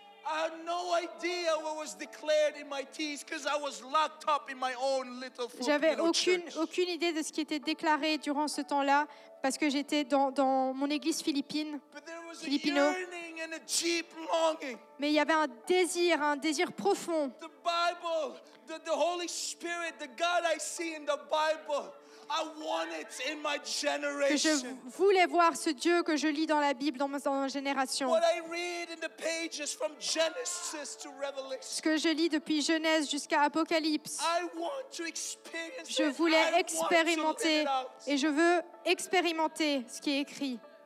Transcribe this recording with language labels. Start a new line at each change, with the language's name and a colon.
English: I had no idea what was declared in my teens because I was locked up in my own little church.
French: J'avais aucune idée de ce qui était déclaré durant ce temps-là parce que j'étais dans mon église philippine.
English: But there was a yearning and a deep longing.
French: Mais il y avait un désir profond.
English: The Bible, the Holy Spirit, the God I see in the Bible. I want it in my generation.
French: Que je voulais voir ce Dieu que je lis dans la Bible dans ma génération.
English: What I read in the pages from Genesis to Revelation.
French: Ce que je lis depuis Genèse jusqu'à Apocalypse.
English: I want to experience.
French: Je voulais expérimenter et je veux expérimenter ce qui est écrit.